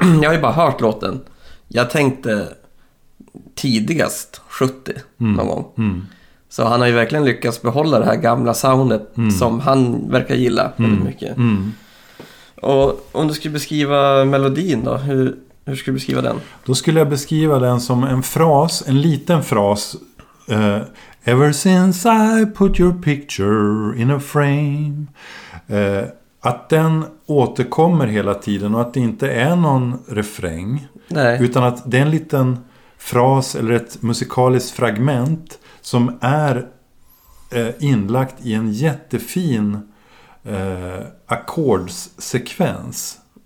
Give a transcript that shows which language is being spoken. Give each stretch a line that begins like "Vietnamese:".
Swedish: Jag har ju bara hört låten. Jag tänkte tidigast 70 någon gång. Mm. Så han har ju verkligen lyckats behålla det här gamla soundet som han verkar gilla väldigt mycket. Mm. Och om du skulle beskriva melodin då, hur skulle du beskriva den? Då skulle jag beskriva den som en fras, en liten fras.
English: Ever since I put your picture in a frame.
Swedish: Att den återkommer hela tiden och att det inte är någon refräng. Nej. Utan att det är en liten fras eller ett musikaliskt fragment som är inlagt i en jättefin ackordssekvens.